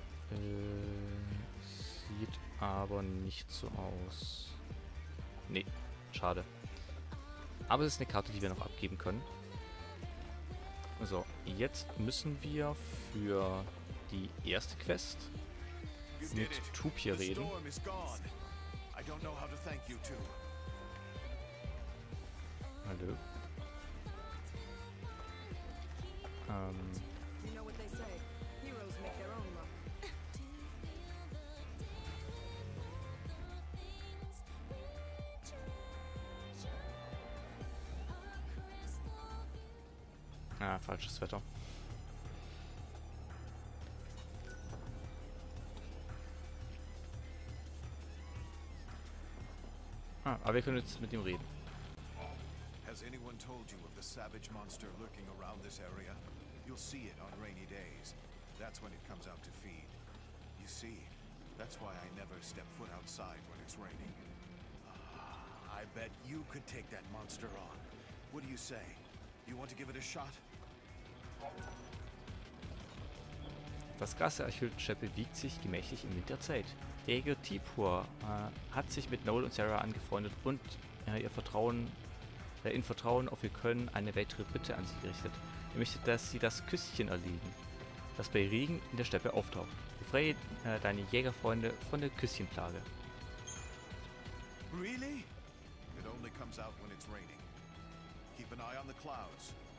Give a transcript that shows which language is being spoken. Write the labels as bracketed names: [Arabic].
[German] Sieht aber nicht so aus. Nee, schade. Aber es ist eine Karte, die wir noch abgeben können. So, jetzt müssen wir für die erste Quest mit Tupia reden. [English] I don't know how to thank you two. [German] Hallo. [English] You know what they say. Heroes make their own luck. [German] Ah, falsches Wetter. Ah, aber wir können jetzt mit ihm reden. [English] Has anyone told you of the savage monster lurking around this area? You'll see it on rainy days. That's when it comes out to feed. You see, that's why I never step foot outside when it's raining. I bet you could take that monster on. What do you say? You want to give it a shot? [German] Das krasse Archylt-Scheppe wiegt sich gemächlich im Wind der Zeit. Der Jäger Tipur hat sich mit Noel und Sarah angefreundet und in Vertrauen auf ihr Können eine weitere Bitte an sie gerichtet. Er möchte, dass sie das Küsschen erlegen, das bei Regen in der Steppe auftaucht. Befreie deine Jägerfreunde von der Küsschenplage. [English] Really? It only comes out when it's raining. Keep an eye on the clouds.